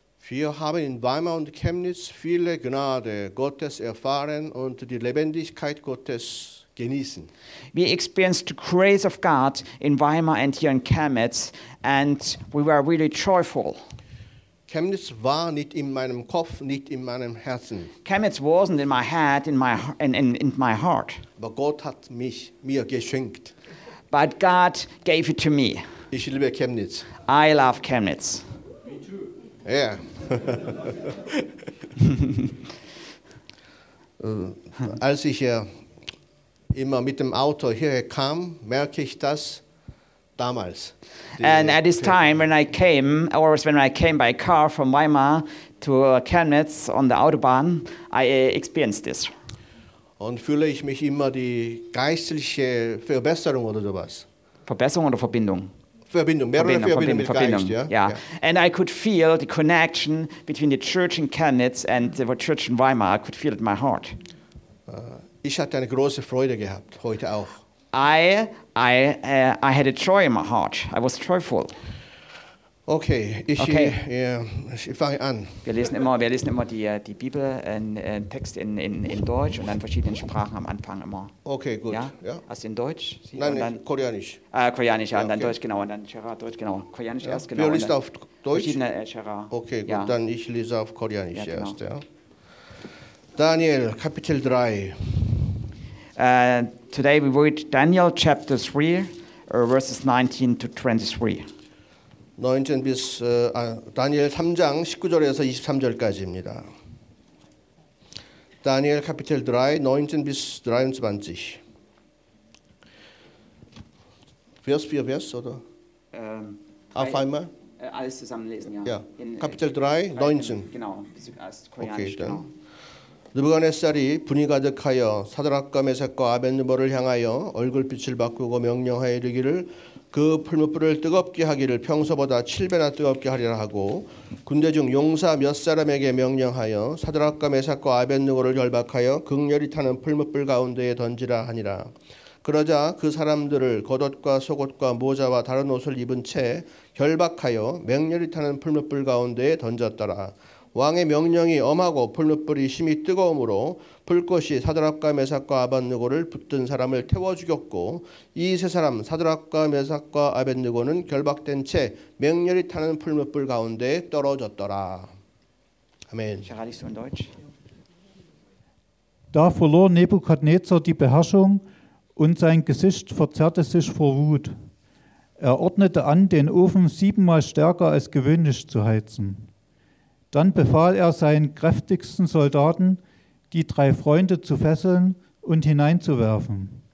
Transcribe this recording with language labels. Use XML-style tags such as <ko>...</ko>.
<de>Wir haben in Weimar und Chemnitz viele Gnade Gottes erfahren und die Lebendigkeit Gottes genießen.</de> <en>We experienced the grace of God in Weimar and here in Chemnitz, and we were really joyful.</en> <de>Chemnitz war nicht in meinem Kopf, nicht in meinem Herzen.</de> <en>Chemnitz wasn't in my head, in my heart.</en> <de>Aber Gott hat mir geschenkt.</de> <en>But God gave it to me.</en> <de>Ich liebe Chemnitz.</de> <en>I love Chemnitz. Me too. Yeah.</en> <de>Als ich immer mit dem Auto hierher kam, merke ich das damals.</de> <en>And at this time, when I came by car from Weimar to Chemnitz on the Autobahn, I experienced this.</en> <de>Und fühle ich mich immer die geistliche Verbesserung oder sowas? Verbesserung oder Verbindung? Verbindung.</de> <en>Yeah. Yeah. And I could feel the connection between the church in Chemnitz and the church in Weimar. I could feel it in my heart.</en> <de>Ich hatte eine große Freude gehabt, heute auch.</de> <en>I had a joy in my heart. I was joyful.</en> <de>Okay, ich fange an. Wir lesen immer die Bibel in Text in Deutsch und dann verschiedenen Sprachen am Anfang immer. Okay, gut. Ja? Hast du in Deutsch? Sie nein, dann, nicht, Koreanisch. Koreanisch, ja, und dann okay. Deutsch, genau. Und dann Gerard, Deutsch, genau. Koreanisch ja, erst, genau. Wir lesen auf Deutsch? Gerard. Okay, gut, ja. Dann ich lese auf Koreanisch ja, erst, genau. Ja. Daniel, Kapitel 3.</de> <en>Today we read Daniel chapter 3, verses 19 to 23.</en> <de>19 bis,</de> <ko>Daniel 3장 19절에서 23절까지입니다.</ko> <de>Daniel Kapitel 3, 19 bis 23. Vers für Vers, oder? Auf einmal? Alles zusammenlesen, ja. Ja. In, Kapitel 3, 19. Genau, bis als Koreanisch, genau. Dann.</de> <ko>느부갓네살이 분이 가득하여 사드락과 메삭과 아벳느보를 향하여 얼굴빛을 바꾸고 명령하여 이르기를 그 풀무불을 뜨겁게 하기를 평소보다 7배나 뜨겁게 하리라 하고 군대 중 용사 몇 사람에게 명령하여 사드락과 메삭과 아벳느보를 결박하여 극렬히 타는 풀무불 가운데에 던지라 하니라. 그러자 그 사람들을 겉옷과 속옷과 모자와 다른 옷을 입은 채 결박하여 맹렬히 타는 풀무불 가운데에 던졌더라. 왕의 명령이 엄하고 풀무불이 심히 뜨거우므로 불꽃이 사드락과 메삭과 아벳느고를 붙든 사람을 태워 죽였고 이 세 사람 사드락과 메삭과 아벳느고는 결박된 채 맹렬히 타는 풀무불 가운데 떨어졌더라. 아멘.</ko> <de>Da verlor Nebukadnezar die Beherrschung und sein Gesicht verzerrte sich vor Wut. Er ordnete an, den Ofen siebenmal stärker als gewöhnlich zu heizen. Dann befahl er seinen kräftigsten Soldaten, die drei Freunde zu fesseln und hineinzuwerfen.</de>